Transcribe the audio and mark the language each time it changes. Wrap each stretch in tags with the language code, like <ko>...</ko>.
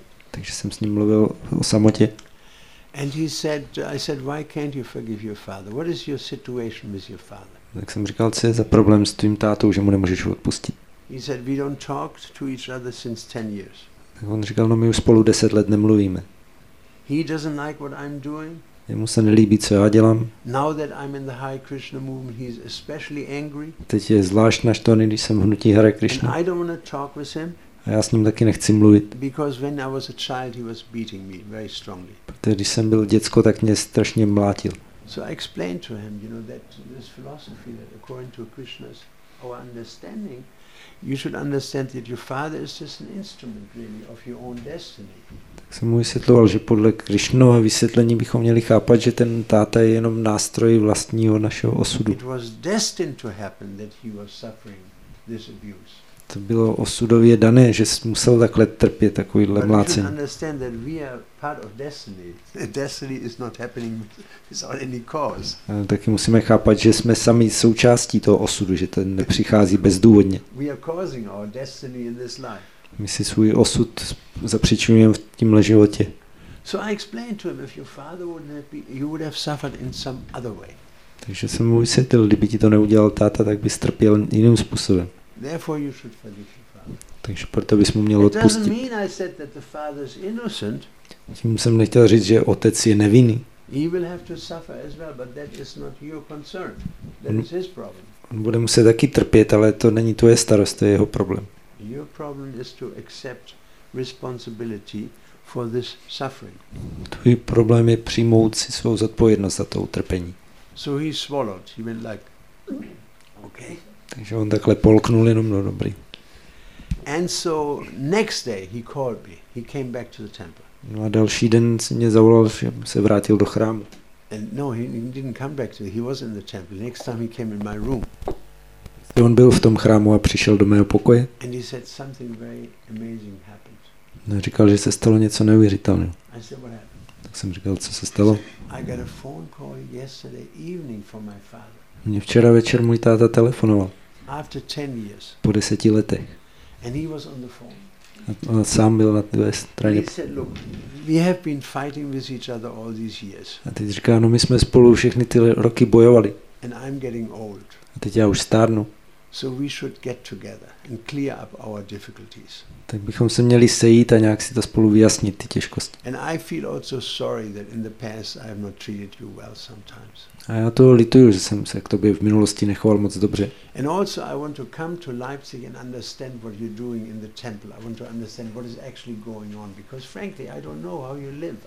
<cs>Takže jsem s ním mluvil o samotě.</cs> <en>And he said, I said, why can't you forgive your father? What is your situation with your father?</en> <cs>Tak jsem říkal, co je za problém s tvým tátou, že mu nemůžeš odpustit.</cs> <en>He said, we don't talk to each other since 10 years.</en> <cs>Tak on říkal, no my už spolu 10 let nemluvíme.</cs> <en>He doesn't like what I'm doing.</en> <cs>Jemu se nelíbí, co já dělám.</cs> <en>Now that I'm in the Hare Krishna movement, he's especially angry.</en> <cs>Teď je zvlášť naštvaný, když jsem hnutí Hare Krishna.</cs> <en>I don't want to talk with him.</en> <cs>A já s ním taky nechci mluvit.</cs> <en>Because when I was a child, he was beating me very strongly.</en> <cs>Protože když jsem byl děcko, tak mě strašně mlátil.</cs> <en>So I explained to him, you know, that this philosophy that according to Krishna's our understanding, you should understand that your father is just an instrument really of your own destiny.</en> <cs>Tak jsem mu vysvětloval, že podle Krishnova vysvětlení bychom měli chápat, že ten táta je jenom nástroj vlastního našeho osudu.</cs> <en>It was destined to happen that he was suffering this abuse.</en> <cs>To bylo osudově dané, že musel takhle trpět takovýhle mlácení.</cs> <en>But understand that we are part of destiny. Destiny is not happening without any cause.</en> <cs>Taky musíme chápat, že jsme sami součástí toho osudu, že ten nepřichází bezdůvodně.</cs> <en>We are causing our destiny in this life.</en> <cs>My si svůj osud zapříčinujeme v tímhle životě.</cs> <en>So I explained to him, if your father wouldn't have been, you would have suffered in some other way.</en> <cs>Takže jsem mu vysvětlil, kdyby ti to neudělal táta, tak bys trpěl jiným způsobem.</cs> <en>Therefore you should forgive your father.</en> <cs>Takže proto bys mu měl odpustit.</cs> <en>It doesn't mean I said that the father is innocent.</en> <cs>Tím jsem nechtěl říct, že otec je nevinný.</cs> <en>He will have to suffer as well, but that is not your concern. That is his problem.</en> <cs>On bude muset taky trpět, ale to není tvoje starost, to je jeho problém.</cs> <en>Your problem is to accept responsibility for this suffering.</en> <cs>Tvůj problém je přijmout si svou zodpovědnost za to utrpení.</cs> <en>So he swallowed. He went like, okay.</en> <cs>Takže on takhle polknul jenom, no dobrý.</cs> <en>And so next day he called me. He came back to the temple.</en> <cs>No a další den si mě zavolal, že se vrátil do chrámu.</cs> <en>And no, he didn't come back to. He was in the temple. Next time he came in my room.</en> <cs>On byl v tom chrámu a přišel do mého pokoje.</cs> <en>And he said something very amazing happened.</en> <cs>No, říkal, že se stalo něco neuvěřitelného.</cs> <en>I said, what happened?</en> <cs>Tak jsem říkal, co se stalo.</cs> <en>I got a phone call yesterday evening from my father.</en> <cs>Mě včera večer můj táta telefonoval.</cs> <en>After 10 years.</en> <cs>Po 10 letech.</cs> <en>And he was on the phone.</en> <cs>A sám byl na té straně.</cs> <en>He said, look, we have been fighting with each other all these years.</en> <cs>A teď říká, no my jsme spolu všechny ty roky bojovali.</cs> <en>And I'm getting old.</en> <cs>A teď já už stárnu.</cs> <en>So we should get together and clear up our difficulties.</en> <cs>Tak bychom se měli sejít a nějak si to spolu vyjasnit ty těžkosti.</cs> <en>And I feel also sorry that in the past I have not treated you well sometimes.</en> <cs>A já toho lituju, že jsem se k tobě v minulosti nechoval moc dobře.</cs> <en>And also I want to come to Leipzig and understand what you're doing in the temple. I want to understand what is actually going on because frankly I don't know how you live.</en>